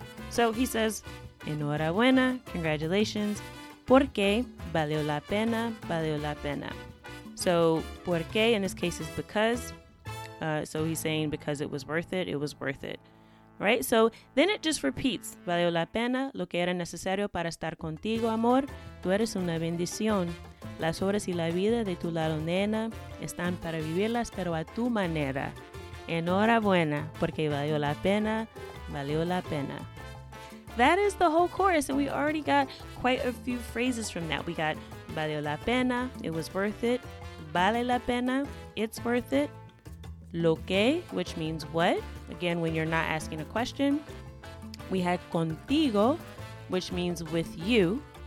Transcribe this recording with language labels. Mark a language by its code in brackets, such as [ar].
[en] So he says, [es] enhorabuena, congratulations, porque valió la pena, valió la pena. [en] So porque in this case is because, so he's saying because it was worth it, it was worth it. Right, so then it just repeats. [es] Valió la pena lo que era necesario para estar contigo, amor. Tú eres una bendición. Las horas y la vida de tu lado, nena, están para vivirlas, pero a tu manera. Enhorabuena, porque valió la pena, valió la pena. [en] That is the whole chorus, and we already got quite a few phrases from that. We got [es] valió la pena, [en] it was worth it. [es] Vale la pena, [en] it's worth it. Lo que, which means what, again, when you're not asking a question. We have contigo, which means with you.